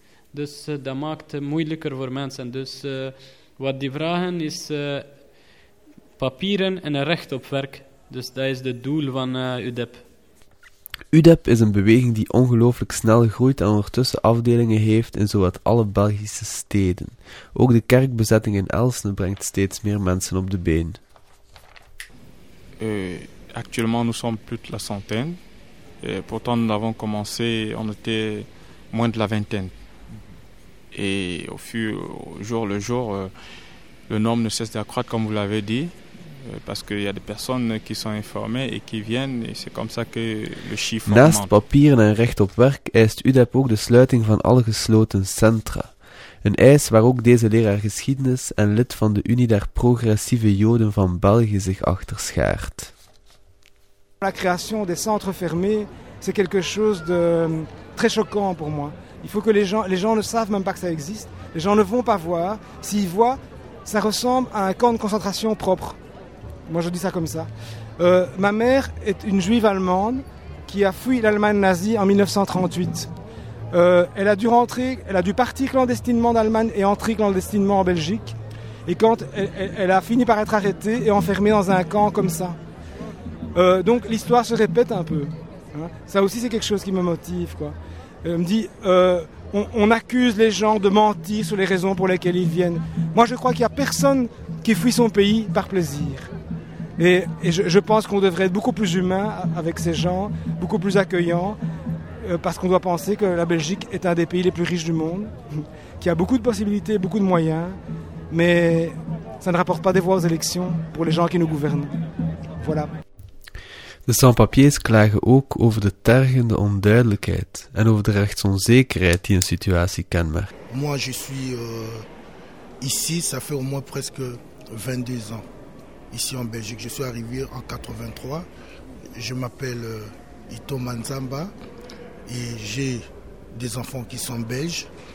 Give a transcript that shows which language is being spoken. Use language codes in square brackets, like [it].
[nl] Dus dat maakt het moeilijker voor mensen. Dus wat die vragen is papieren en recht op werk. Dus dat is het doel van UDEP. UDEP is een beweging die ongelooflijk snel groeit en ondertussen afdelingen heeft in zowat alle Belgische steden. Ook de kerkbezetting in Elsene brengt steeds meer mensen op de been. [fr] Actuellement nous sommes plus de la centaine. Pourtant nous avons commencé, on était moins de la vingtaine. Et au fur au jour le jour, le nombre ne cesse d'accroître comme vous l'avez dit. Parce qu'il y a des personnes qui sont informées et qui viennent, et c'est comme ça que le chiffre augmente. [nl] Naast papieren en recht op werk eist UDEP ook de sluiting van alle gesloten centra. Een eis waar ook deze leraar geschiedenis en lid van de Unie der Progressieve Joden van België zich achter schaart. [fr] La création des centres fermés, c'est quelque chose de très choquant pour moi. Il faut que les gens ne savent même pas que ça existe. Les gens ne vont pas voir. S'ils voient, ça ressemble à un camp de concentration propre. Moi, je dis ça comme ça. Ma mère est une juive allemande qui a fui l'Allemagne nazie en 1938. Elle a dû partir clandestinement d'Allemagne et entrer clandestinement en Belgique. Et quand elle a fini par être arrêtée et enfermée dans un camp comme ça. Donc, l'histoire se répète un peu. Hein. Ça aussi, c'est quelque chose qui me motive. Quoi. Elle me dit, on accuse les gens de mentir sur les raisons pour lesquelles ils viennent. Moi, je crois qu'il n'y a personne qui fuit son pays par plaisir. Et je pense qu'on devrait être beaucoup plus humain avec ces gens, beaucoup plus accueillant, parce qu'on doit penser que la Belgique est un des pays les plus riches du monde, qui a beaucoup de possibilités, beaucoup de moyens, mais ça ne rapporte pas des voix aux élections pour les gens qui nous gouvernent. Voilà. [nl] De sans-papiers klagen ook over de tergende onduidelijkheid en over de rechtsonzekerheid die een situatie kenmerkt. [fr] Moi, je suis ici, ça fait au moins presque 22 ans. Ici en Belgique, je suis arrivé en 83. Je m'appelle Ito Manzamba et j'ai des enfants qui sont belges.